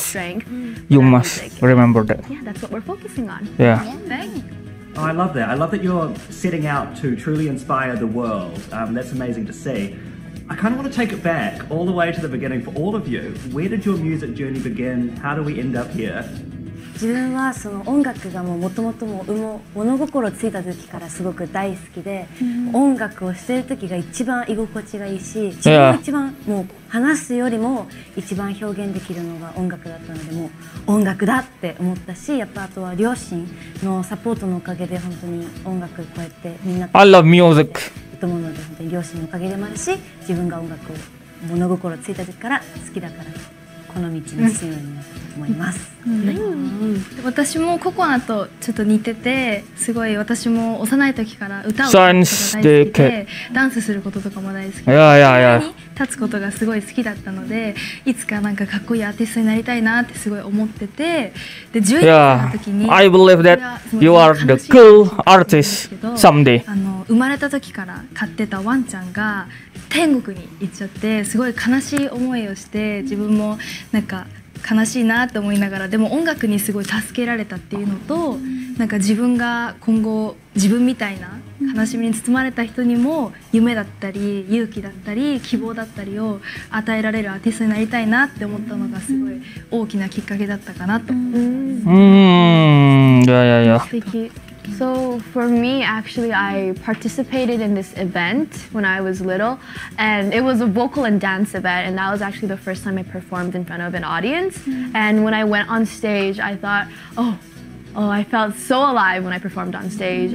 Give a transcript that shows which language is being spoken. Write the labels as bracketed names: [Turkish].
[English] strength. You must remember that. Yeah, that's what we're focusing on. Yeah. Oh, I love that. I love that you're setting out to truly inspire the world. That's amazing to see. I kind of want to take it back all the way to the beginning for all of you. Where did your music journey begin? How do we end up here? [Japanese] 自分はその音楽がもともと物心ついた時からすごく大好きで、音楽をしてる時が一番居心地がいいし、自分が一番もう話すよりも一番表現できるのが音楽だったので、もう音楽だって思ったし、やっぱあとは両親のサポートのおかげで本当に音楽こうやってみんな。 [English] I love music. [Japanese] 子供の本当に両親のおかげでもあるし、自分が音楽を物心ついた時から好きだから。この道に進むように思います。うん、私もココナとちょっと似てて、すごい私も幼い時から歌を歌うことが大好きで、ダンスすることとかも大好き [English] で、yeah, yeah, yeah. [Japanese] 立つことがすごい好きだったので、いつかなんかかっこいいアーティストになりたいなってすごい思ってて、で10年の時に、 [English] yeah. I believe that you are the cool artist someday。 [Japanese] あの生まれた時から飼ってたワンちゃんが天国に行っちゃって、すごい悲しい思いをして、自分もなんか悲しいなと思いながら、でも音楽にすごい助けられたっていうのと、なんか自分が今後自分みたいな悲しみに包まれた人にも夢だったり勇気だったり希望だったりを与えられるアーティストになりたいなって思ったのがすごい大きなきっかけだったかなと思います。いやいやいや、 [English] So for me, actually, I participated in this event when I was little, and it was a vocal and dance event, and that was actually the first time I performed in front of an audience. Mm-hmm. And when I went on stage, I thought, oh, I felt so alive when I performed on stage.